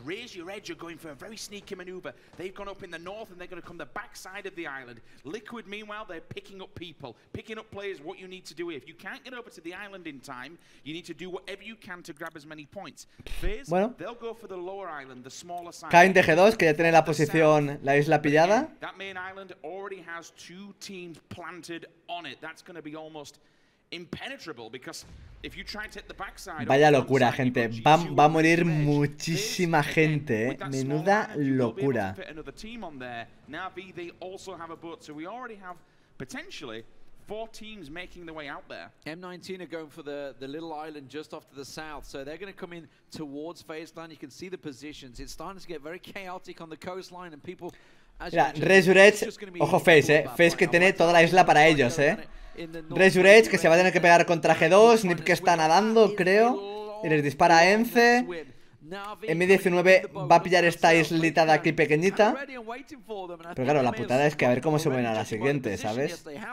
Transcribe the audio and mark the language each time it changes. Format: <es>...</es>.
<en>Razor Edge are going for a very sneaky maneuver. They've gone up in the north and they're going to come the back side of the island. Liquid, meanwhile, they're picking up people. Picking up players, what you need to do. If you can't get over to the island in time, you need to do whatever you can to grab as many points.</en> <es>Fizz, bueno,</es> <en>they'll go for the lower island, the smaller side.</en> <es>Caen de G2, que ya tiene la posición, la isla pillada.</es> <en>Again, that main island already has two teams planted on it. That's going to be almost... impenetrable, because if you try to hit the backside,</en> <es>vaya locura, gente. Va a morir muchísima gente, ¿eh? Menuda locura.</es> <en>Navi, they also have a boat, so we already have potentially four teams making the way out there. M19 are going for the little island just off to the south, so they're going to come in towards Phase Land. You can see the positions. It's starting to get very chaotic on the coastline and people.</en> <es>Mira, Resurrect, ojo Face, ¿eh? Face que tiene toda la isla para ellos, ¿eh? Resurrect que se va a tener que pegar contra G2, Nip que está nadando, creo, y les dispara a Ence. M19 va a pillar esta islita de aquí pequeñita. Pero claro, la putada es que a ver cómo se mueven a la siguiente, ¿sabes?</es>